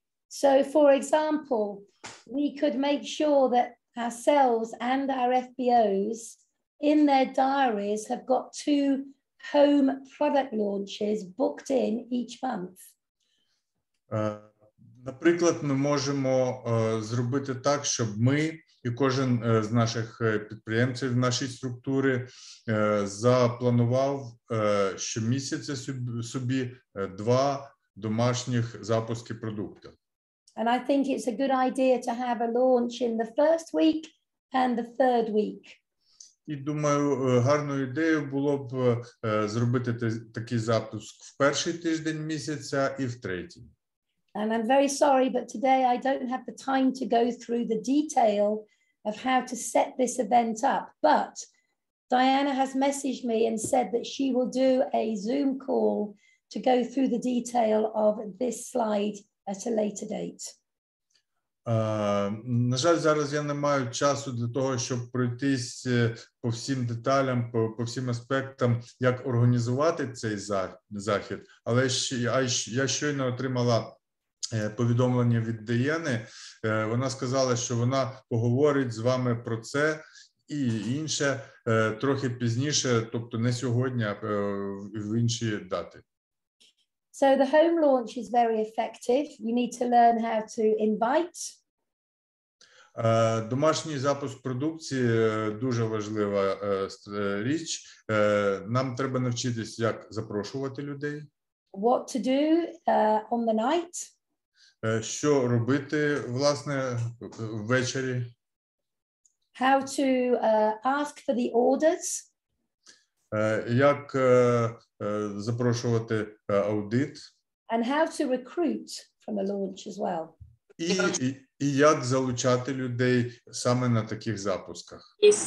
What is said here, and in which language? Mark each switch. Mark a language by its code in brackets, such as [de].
[en] So, for example, we could make sure that ourselves and our FBOs in their diaries have got two home product launches booked in each month. [uk] Наприклад, ми можемо зробити так, щоб ми і кожен з наших підприємців в нашій структурі запланував щомісяця собі два домашніх запуски продукту. [en] And I think it's a good idea to have a launch in the first week and the third week. [uk] І думаю, гарною ідеєю було б зробити такий запуск в перший тиждень місяця і в третій. [en] And I'm very sorry, but today I don't have the time to go through the detail of how to set this event up. But Diana has messaged me and said that she will do a Zoom call to go through the detail of this slide at a later date. [uk] На жаль, зараз я не маю часу для того, щоб пройтись по всім деталям, по всім аспектам, як організувати цей захід. Але я щойно отримала повідомлення від Діани. Вона сказала, що вона поговорить з вами про це і інше трохи пізніше, тобто не сьогодні, а в інші дати. [en] So the home launch is very effective. You need to learn how to invite. [uk] Домашній запуск продукції дуже важлива річ. Нам треба навчитися, як запрошувати людей. [en] What to do on the night? [uk] Що робити, власне, ввечері? [en] How to ask for the orders? [uk] Як запрошувати аудит? [en] And how to recruit from a launch as well? [uk] І як залучати людей саме на таких запусках?